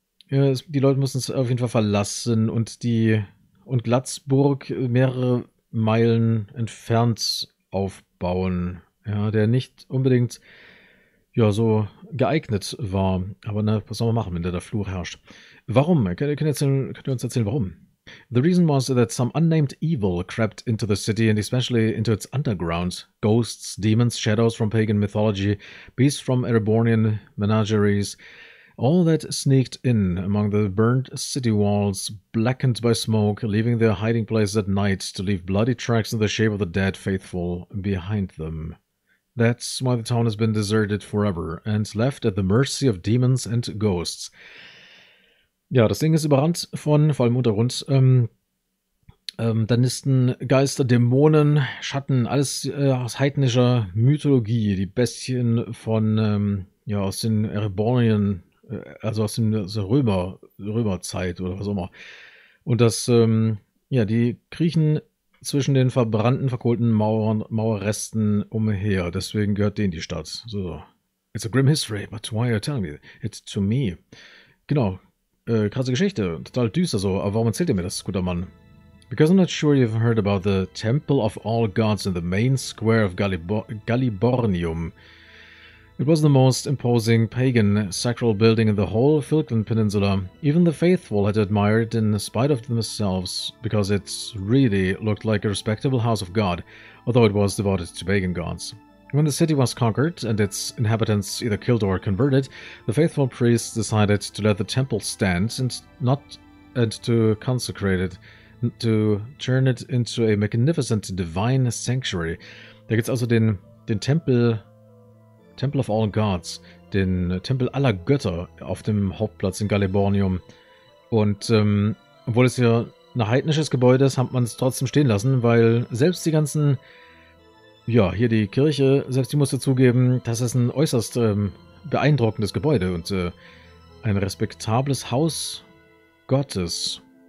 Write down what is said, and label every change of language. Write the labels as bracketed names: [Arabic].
[German] Die Leute mussten es auf jeden Fall verlassen und Glatzburg mehrere Meilen entfernt aufbauen. Ja, der nicht unbedingt so geeignet war. Aber na, was soll man machen, wenn der Fluch herrscht? Warum? Könnt ihr uns erzählen, warum? [English] The reason was that some unnamed evil crept into the city and especially into its underground. Ghosts, demons, shadows from pagan mythology, beasts from Erebonian menageries. All that sneaked in among the burnt city walls, blackened by smoke, leaving their hiding places at night to leave bloody tracks in the shape of the dead faithful behind them. That's why the town has been deserted forever and left at the mercy of demons and ghosts. [German] Ja, das Ding ist überrannt von, vor allem Untergrund, Danisten, Geister, Dämonen, Schatten, alles aus heidnischer Mythologie, die Bestien von, aus den Erebonien, also aus dem also Römerzeit oder was auch immer. Und das, die kriechen zwischen den verbrannten, verkohlten Mauerresten umher. Deswegen gehört denen die Stadt. So. [English] It's a grim history, but why are you telling me? It's to me. [German] Genau. Krasse Geschichte. Total düster so. Aber warum erzählt ihr mir das, guter Mann? [English] Because I'm not sure you've heard about the Temple of All Gods in the main square of Gallibornium. It was the most imposing pagan sacral building in the whole Falkland Peninsula. Even the faithful had to admire it in spite of themselves, because it really looked like a respectable house of God, although it was devoted to pagan gods. When the city was conquered and its inhabitants either killed or converted, the faithful priests decided to let the temple stand and to consecrate it, to turn it into a magnificent divine sanctuary. [German] Da gibt's also den Temple of All Gods, den Tempel aller Götter auf dem Hauptplatz in Gallibornium. Und obwohl es ja ein heidnisches Gebäude ist, hat man es trotzdem stehen lassen, weil selbst die ganzen, ja, hier die Kirche, selbst die musste zugeben, das ist ein äußerst beeindruckendes Gebäude und ein respektables Haus Gottes.